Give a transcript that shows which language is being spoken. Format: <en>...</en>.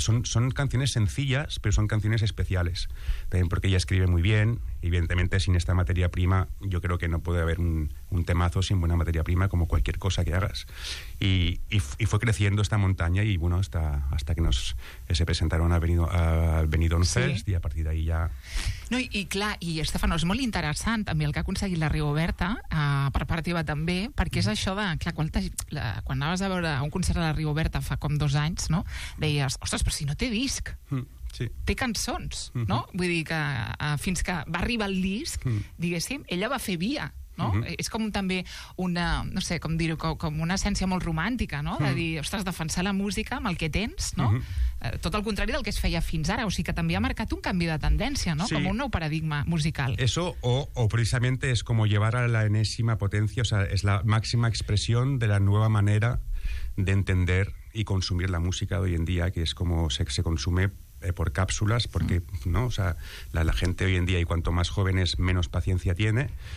<es>Son canciones sencillas, pero son canciones especiales. También porque ella escribe muy bien. Evidentemente, sin esta materia prima, yo creo que no puede haber un temazo sin buena materia prima, como cualquier cosa que hagas. Y fue creciendo esta montaña y, bueno, hasta que nos se presentaron a Benidorm Fest, sí. Y a partir de ahí ya...</es> <ca>No, i clar, i Stefano, és molt interessant també el que ha aconseguit la Rigoberta, per part teva també, perquè és això de, clar, quan anaves a veure un concert de la Rigoberta fa com 2 anys, no?, deies, ostres, però si no té disc, té cançons, no? Vull dir que fins que va arribar el disc, diguéssim, ella va fer via, no? Uh-huh. És com també una, no sé, com dir-ho, com una essència molt romàntica, no? Uh-huh. De dir, ostres, defensar la música amb el que tens, no? Uh-huh. Tot el contrari del que es feia fins ara, o sigui que també ha marcat un canvi de tendència, no? Sí. Com un nou paradigma musical.</ca> <es>Eso, o precisamente es como llevar a la enésima potencia, o sea, es la máxima expresión de la nueva manera de entender y consumir la música de hoy en día, que es como se consume por cápsulas, porque no, o sea, la gente hoy en día, y cuanto más jóvenes, menos paciencia tiene.</es>